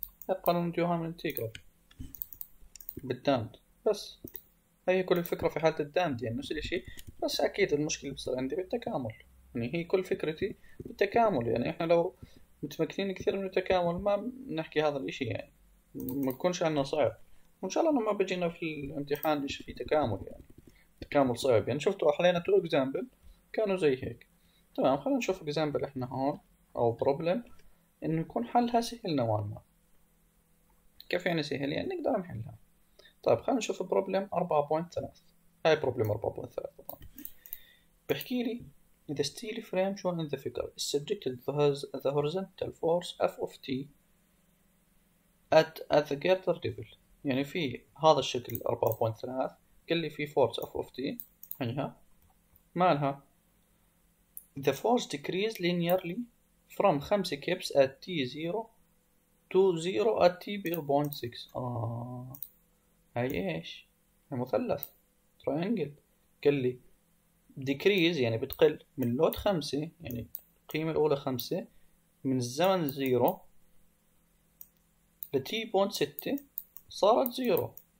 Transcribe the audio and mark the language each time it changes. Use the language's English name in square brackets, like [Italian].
[Arabic] القانون ديوهام انتجرال بالداند، بس هي كل الفكرة في حالة الداند يعني نفس الشيء، بس اكيد المشكلة بصير عندي بالتكامل، يعني هي كل فكرتي بالتكامل، يعني احنا لو متمكنين كثير من التكامل ما نحكي هذا الاشي، يعني ما يكونش عندنا صعب، وان شاء الله لما بجينا في الامتحان ايش في تكامل، يعني تكامل صعب، يعني شفتوا احلينا تو اكزامبل كانوا زي هيك. تمام، خلينا نشوف اكزامبل احنا هون او بروبلم انه يكون حلها سهل نوعا ما. كيف يعني سهل؟ يعني نقدر نحلها. طيب خلينا نشوف بروبلم 4.3. هاي بروبلم 4.3 طبعا بحكي لي [English] The steel frame shown in the figure is subjected to the horizontal force F of T at the girder level. [Arabic] يعني في هذا الشكل 4.3 قال لي في force F of T هيها مالها. [English] The force decreases linearly from 5 kips at T0 to 0 at T 0.6. [Arabic] هاي ايش؟ هي مثلث triangle قال لي decrease يعني بتقل من لود 5 يعني القيمة الأولى 5 من الزمن 0 ل T بوينت 6 صارت 0.